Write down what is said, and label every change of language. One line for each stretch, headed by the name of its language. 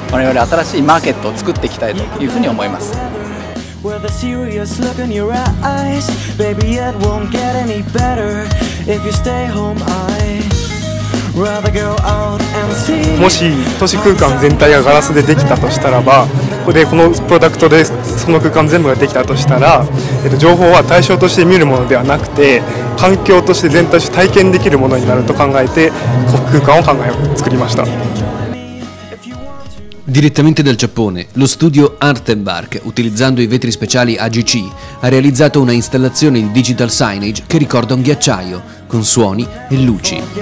Japanese: プロジェクターの映像を映せるそういうスクリーンにもなるようなガラスを開発しました。そしてこのミラノサローネに展示させていただいて、たくさんのデザイナーの方にご覧になっていただいて、新しい商品の可能性を提案していただいて、我々新しいマーケットを作っていきたいというふうに思います。
English: Well, the serious look in your eyes, baby, it won't get any better if you stay home.
Japanese: もし都市空間全体がガラスでできたとしたらば、ここでこのプロダクトでその空間全部ができたとしたら、情報は対象として見るものではなくて、環境として全体として体験できるものになると考えて、この空間を考え作りました。
Italian: Direttamente dal Giappone, lo studio Art & Bark, utilizzando i vetri speciali AGC, ha realizzato una installazione di digital signage che ricorda un ghiacciaio, con suoni e luci.